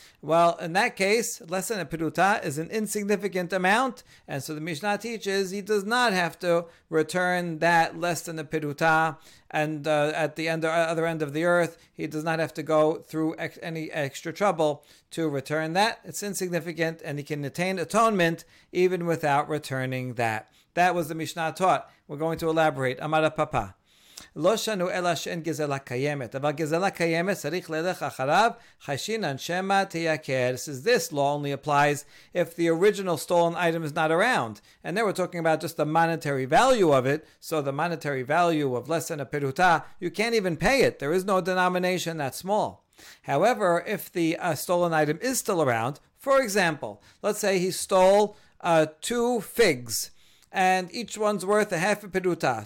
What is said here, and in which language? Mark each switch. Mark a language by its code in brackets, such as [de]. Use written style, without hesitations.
[en] Well, in that case, less than a peruta is an insignificant amount, and so the Mishnah teaches he does not have to return that less than a peruta, and at the other end of the earth, he does not have to go through any extra trouble to return that. It's insignificant, and he can attain atonement even without returning that. That was the Mishnah taught. We're going to elaborate. Amar Papa. [he] לא שנו אלא שאין גזלה קיימת, אבל גזלה קיימת צריך ללך אחריו, חשינן שמה תייקר. [en] Says this law only applies if the original stolen item is not around. And they were talking about just the monetary value of it, so the monetary value of less than a peruta, you can't even pay it. There is no denomination that small. However, if the stolen item is still around, for example, let's say he stole two figs, and each one's worth a half a peruta.